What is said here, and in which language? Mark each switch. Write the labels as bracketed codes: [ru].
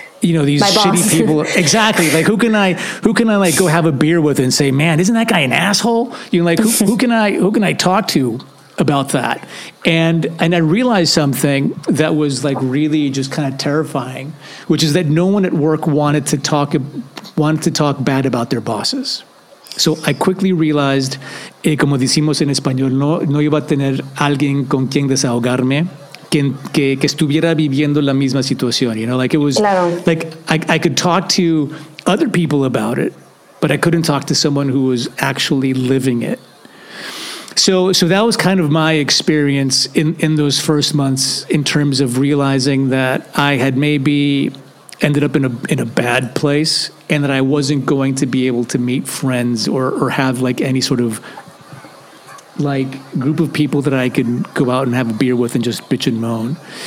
[en] you know, these shitty people. Exactly. Like, who can I like go have a beer with and say, man, isn't that guy an asshole? You know, like who can I talk to about that? And I realized something that was like really just kind of terrifying, which is that no one at work wanted to talk bad about their bosses. So I quickly realized, [es] como decimos en español, no iba a tener alguien con quien desahogarme, que estuviera viviendo la misma situación. [en] You know, like it was, [es] claro. [en] Like I could talk to other people about it, but I couldn't talk to someone who was actually living it. So that was kind of my experience in those first months in terms of realizing that I had maybe ended up in a bad place, and that I wasn't going to be able to meet friends or have like any sort of like group of people that I could go out and have a beer with and just bitch and moan.